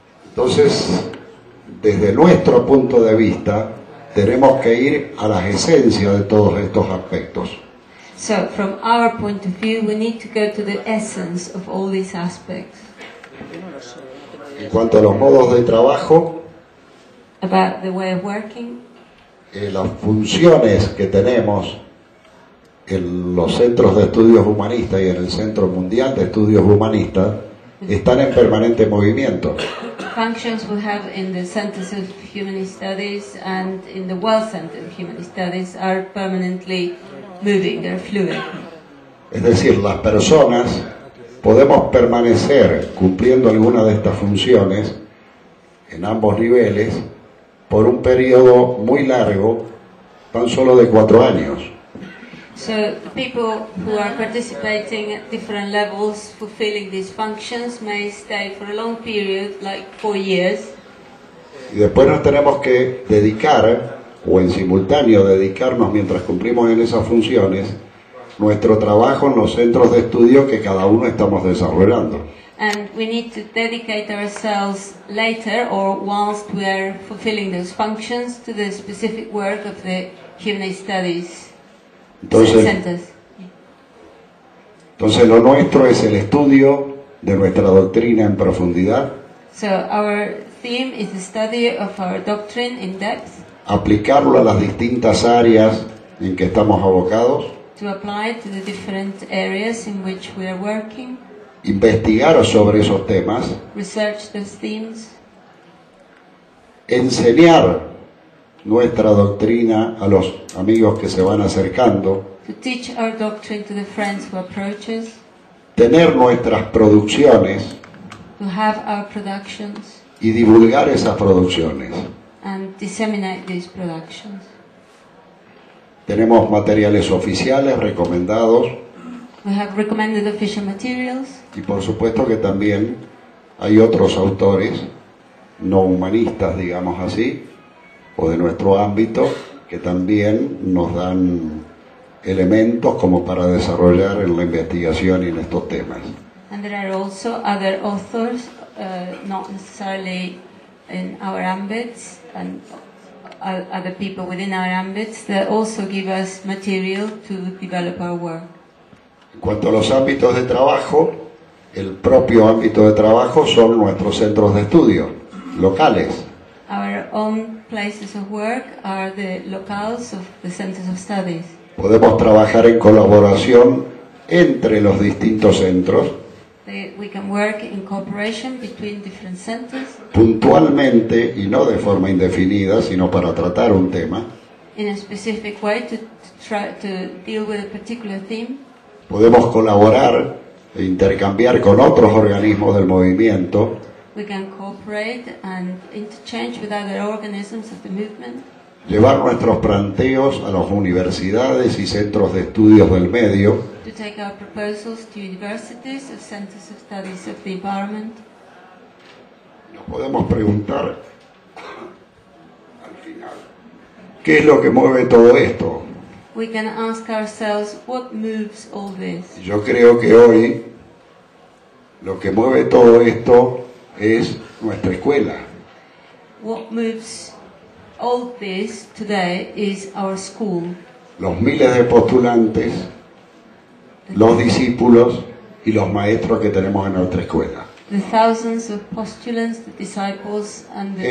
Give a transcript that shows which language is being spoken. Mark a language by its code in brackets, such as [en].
[es] Entonces, desde nuestro punto de vista, tenemos que ir a las esencias de todos estos aspectos. [en] So, from our point of view, we need to go to the essence of all these aspects. [es] En cuanto a los modos de trabajo, [en] about the way of working, [es] las funciones que tenemos en los centros de estudios humanistas y en el Centro Mundial de Estudios Humanistas están en permanente movimiento. [en] Functions we have in the Centers of Humanist Studies and in the World Center of Humanist Studies are permanently moving, they're fluid. [es] Es decir, las personas podemos permanecer cumpliendo alguna de estas funciones en ambos niveles por un periodo muy largo, tan solo de 4 años. [en] So people who are participating at different levels fulfilling these functions may stay for a long period, like 4 years. [es] Y después nos tenemos que dedicar, o en simultáneo dedicarnos mientras cumplimos en esas funciones, nuestro trabajo en los centros de estudio que cada uno estamos desarrollando. [en] And we need to dedicate ourselves later or whilst we are fulfilling those functions to the specific work of the humanist studies. [es] Entonces, lo nuestro es el estudio de nuestra doctrina en profundidad. [en] So our theme is the study of our doctrine in depth. [es] Aplicarlo a las distintas áreas en que estamos abocados. [en] To apply it to the different areas in which we are working. [es] Investigar sobre esos temas. [en] Research those themes. [es] Enseñar nuestra doctrina a los amigos que se van acercando. [en] To teach our doctrine to the friends who approach us. [es] Tener nuestras producciones. [en] To have our productions. [es] Y divulgar esas producciones. [en] And disseminate these productions. [es] Tenemos materiales oficiales recomendados. [en] We have recommended official materials. [es] Y por supuesto que también hay otros autores no humanistas, digamos así, o de nuestro ámbito, que también nos dan elementos como para desarrollar en la investigación y en estos temas. [en] And there are also other authors, not necessarily in our ambits, and other people within our ambits, that also give us material to develop our work. [es] En cuanto a los ámbitos de trabajo, el propio ámbito de trabajo son nuestros centros de estudio. locales. [en] Our own places of work are the locales of the centers of studies. [es] Podemos trabajar en colaboración entre los distintos centros. [en] We can work in cooperation between different centers. [es] Puntualmente y no de forma indefinida, sino para tratar un tema. [en] In a specific way to deal with a particular theme. [es] Podemos colaborar e intercambiar con otros organismos del movimiento. [en] We can cooperate and interchange with other organisms of the movement. [es] Llevar nuestros planteos a las universidades y centros de estudios del medio. [en] To take our proposals to universities or centers of studies of the environment. [es] Nos podemos preguntar al final, ¿qué es lo que mueve todo esto? [en] We can ask ourselves what moves all this. [es] Yo creo que hoy lo que mueve todo esto es nuestra escuela. [en] What moves all this today is our school. [es] Los miles de postulantes, los discípulos y los maestros que tenemos en nuestra escuela. [en] The thousands of postulants, the disciples and the